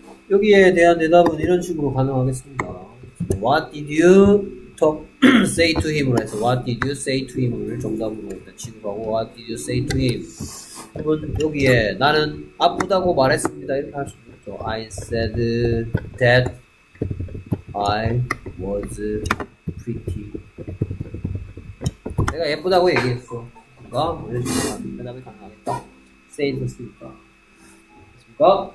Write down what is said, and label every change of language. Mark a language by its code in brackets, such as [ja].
[ko] 여기에 대한 대답은 이런 식으로 가능하겠습니다. [en] What did you talk, say to him [ko] 으로 해서 [en] What did you say to him을 [ko] 정답으로 취급하고 [en] What did you say to him? [ko] 그러면 여기에 나는 아프다고 말했습니다. 이렇게 할 수 있죠. [en] I said that I was pretty. [ko] 내가 예쁘다고 얘기했어. 그러니까 뭐 이런 식으로 대답이 가능하겠다. Say 했으니까. 됐습니까?